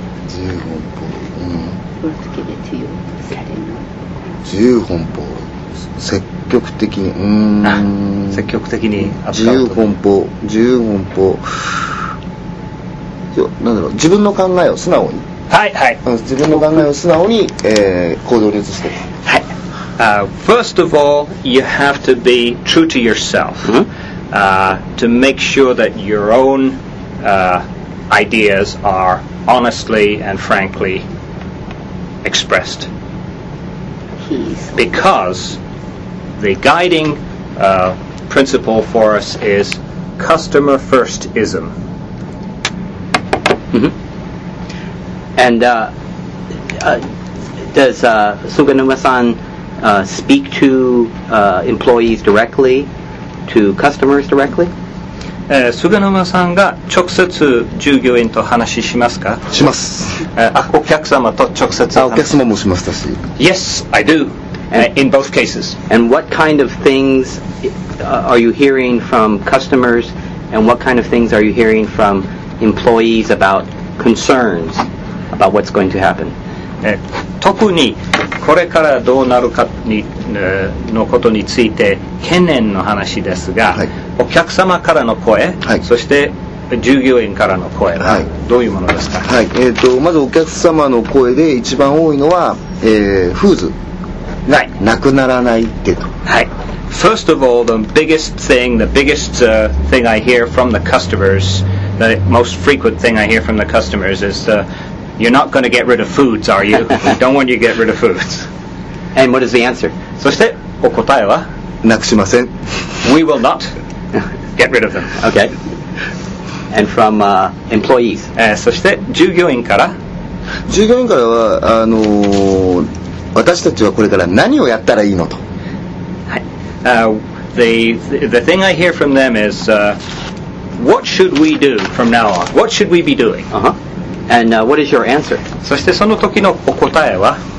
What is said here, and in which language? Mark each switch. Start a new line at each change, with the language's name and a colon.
Japanese: 自由奔放、うん、自由奔放、積極的に、うーん、積極的に自由奔放、自由奔放、何だろう、自分の考えを素直に、はいはい、自分の考えを素直に、行動に移して、
English: はい、first of all you have to be true to yourself、うん、to make sure that your own ideas are honestly and frankly expressed. Because the guiding principle for us is customer first-ism. Mm-hmm. And does Suganuma-san speak to employees directly? To customers directly?
Japanese: 菅沼さんが直接従業員と話しますか？します。お客様と直接話。お客様もしましたし。
English: Yes, I do. In both cases. And what kind of things are you hearing from customers, and what kind of things are you hearing from employees about concerns about what's going to happen?
Japanese: 特にこれからどうなるかにのことについて懸念の話ですが、はい、お客様からの声、はい、そして従業員からの声はどういうものですか？はい、まずお客様の声で一番多いのは、フーズ、はい、なくならないってと。はい。
English: First of all, the biggest thing I hear from the customers, the most frequent thing I hear from the customers is the, you're not going to get rid of foods, are you? We don't want you to get rid of foods. And what is the answer?
Japanese: そしてお答えは、なくしません。
English: We will not get rid of them. Okay. And from employees.
Japanese: そして従業員から、従業員からは、私たちはこれから何をやったらいいのと。
English: The thing I hear from them is, what should we do from now on? What should we be doing? Uh-huh. And what is your answer?
Japanese: そしてその時のお答えは、